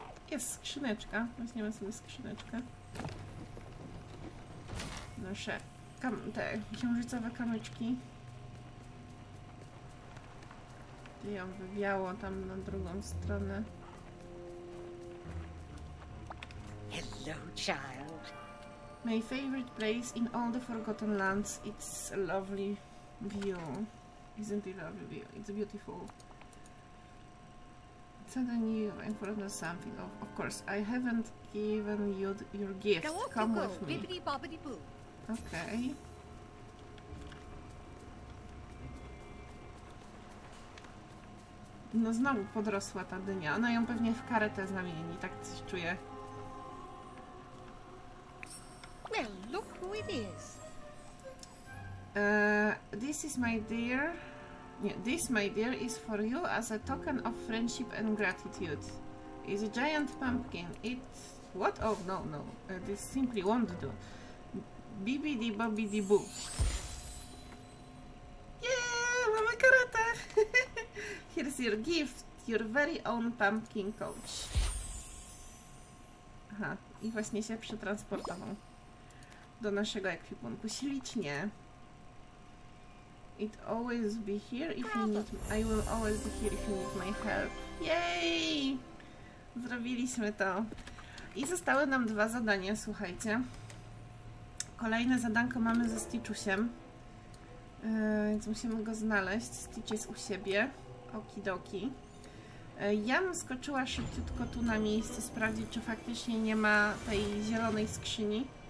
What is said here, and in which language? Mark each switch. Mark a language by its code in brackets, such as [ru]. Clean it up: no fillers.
[pl] Jest skrzyneczka. Weźmiemy sobie skrzyneczkę. Nasze te księżycowe kamyczki. I ją wywiało tam na drugą stronę. [en] Hello, child. My favorite place in all the Forgotten Lands. It's a lovely view. Isn't it a lovely view? It's beautiful. Suddenly you're in front of something. Of course, I haven't given you your gift. Come with me. Okay. [pl] No znowu podrosła ta dynia. Ona ją pewnie w karetę zamieni, tak coś czuję. [en] Well, look who it is. This is my dear. Yeah, this, my dear, is for you as a token of friendship and gratitude. It's a giant pumpkin. It... What? Oh, no, no. This simply won't do. Bibidi bobidi boo. [pl] Yeah, mamy karetę! [en] Here's your gift, your very own pumpkin coach. [pl] Aha, i właśnie się przetransportował do naszego ekwipunku. Ślicznie. [en] It always be here if you need. I will always be here if you need my help. [pl] Yay! Zrobiliśmy to. I zostały nam dwa zadania, słuchajcie. Kolejne zadanko mamy ze Stitchusiem. Więc musimy go znaleźć. Stitch jest u siebie. Okidoki. Ja bym skoczyła szybciutko tu na miejsce, sprawdzić, czy faktycznie nie ma tej zielonej skrzyni.